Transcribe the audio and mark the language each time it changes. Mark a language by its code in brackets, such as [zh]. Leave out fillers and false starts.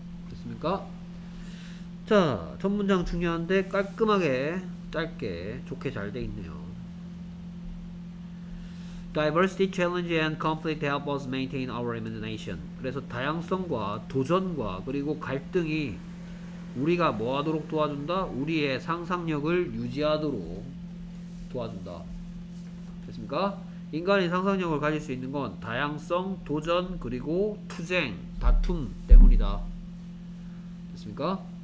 [ko] 됐습니까? 자, 첫 문장 중요한데 깔끔하게 짧게 좋게 잘 돼 있네요. [en] Diversity, challenge and conflict help us maintain our imagination. [ko] 그래서 다양성과 도전과 그리고 갈등이 우리가 뭐 하도록 도와준다? 우리의 상상력을 유지하도록 도와준다. 됐습니까? 인간이 상상력을 가질 수 있는 건 다양성, 도전, 그리고 투쟁, 다툼 때문이다. 됐습니까?